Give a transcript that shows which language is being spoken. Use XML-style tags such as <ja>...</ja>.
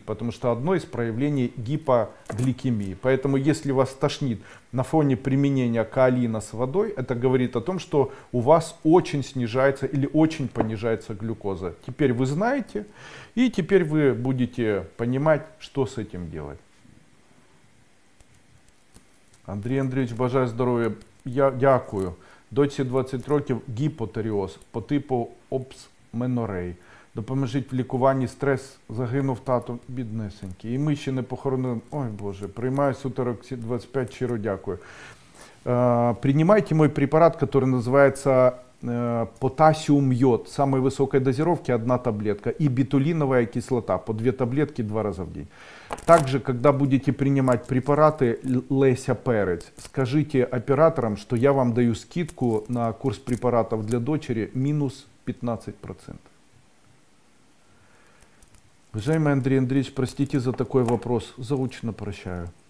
<ru>Потому что одно из проявлений гипогликемии. Поэтому если вас тошнит на фоне применения каолина с водой, это говорит о том, что у вас очень снижается или очень понижается глюкоза. Теперь вы знаете, и теперь вы будете понимать, что с этим делать.</ru> <uk>Андрей Андреевич, бажаю здоровья. Я дякую. Дочці 20 років, гіпотиреоз по типу опсменорей. Допоможіть в лікуванні, стрес, загинув тато, біднесенький. І ми ще не похоронили. Ой, Боже, приймаю сутерок 25, щиро дякую. Принімайте мій препарат, який називається потасіум йод, самої високої дозировки одна таблетка, і бітулінова кислота по дві таблетки два рази в день.</uk> <ru>Также, когда будете принимать препараты Леся Перец, скажите операторам, что я вам даю скидку на курс препаратов для дочери минус 15%. Уважаемый Андрей Андреевич, простите за такой вопрос. Заочно прощаю.</ru>